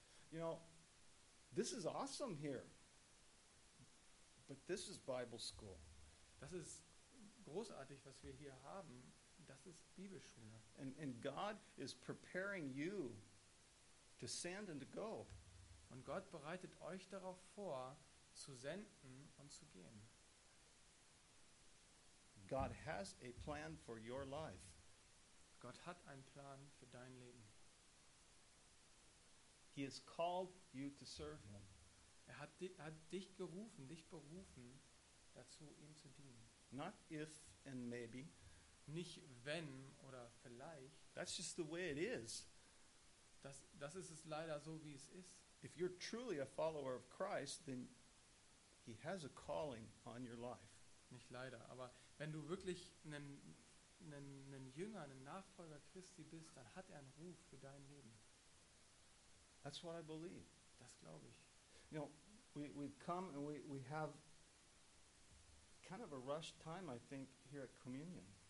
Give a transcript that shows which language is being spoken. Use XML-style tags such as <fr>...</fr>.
<en>You know, this is awesome here, but this is Bible school.</en> <de>Das ist großartig, was wir hier haben. Das ist Bibelschule.</de> <en>And God is preparing you to send and to go.</en> <de>Und Gott bereitet euch darauf vor, zu senden und zu gehen.</de> <en>God has a plan for your life.</en> <de>Gott hat einen Plan für dein Leben.</de> <en>He has called you to serve him.</en> <de>Er hat dich gerufen, dich berufen, dazu ihm zu dienen.</de> <en>Not if and maybe.</en> <de>Nicht wenn oder vielleicht.</de> <en>That's just the way it is.</en> <de>Das ist es leider so, wie es ist.</de> <en>If you're truly a follower of Christ, then he has a calling on your life.</en> <de>Nicht leider, aber wenn du wirklich einen Jünger, einen Nachfolger Christi bist, dann hat er einen Ruf für dein Leben.</de> <en>That's what I believe.</en> <de>Das glaube ich.</de> <en>You know, we come and we have kind of a rushed time, I think, here at communion.</en>